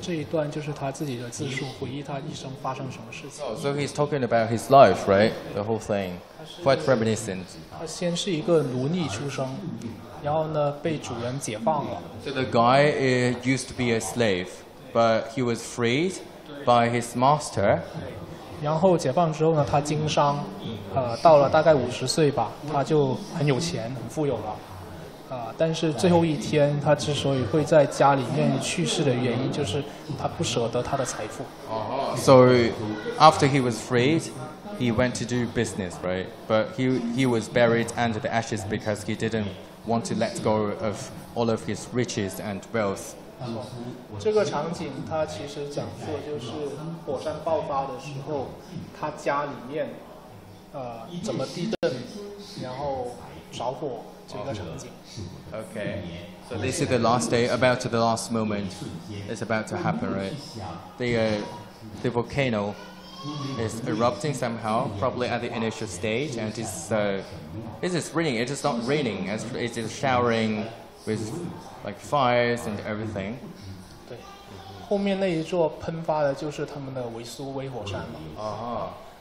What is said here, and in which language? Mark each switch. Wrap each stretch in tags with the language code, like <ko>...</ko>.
<zh>这一段就是他自己的自述，回忆他一生发生什么事情。</zh> <en>So he's talking about his life, right? The whole thing, quite reminiscent.</en> <zh>他先是一个奴隶出生，然后呢被主人解放了。</zh> <en>So the guy used to be a slave, but he was freed by his master.</en> <zh>然后解放之后呢，他经商，到了大概五十岁吧，他就很有钱，很富有了。但是最后一天他之所以会在家里面去世的原因就是他不舍得他的财富。</zh> <en>So after he was freed, he went to do business, right? But he was buried under the ashes because he didn't want to let go of all of his riches and wealth.</en> <zh>这个场景他其实讲述就是火山爆发的时候他家里面怎么地震然后着火。</zh> <en>Okay, so this is the last day, about the last moment is about to happen, right? The volcano is erupting somehow, probably at the initial stage, and it is not raining, it is showering with like fires and everything.</en> <zh>对，后面那一座喷发的就是他们的维苏威火山嘛。</zh>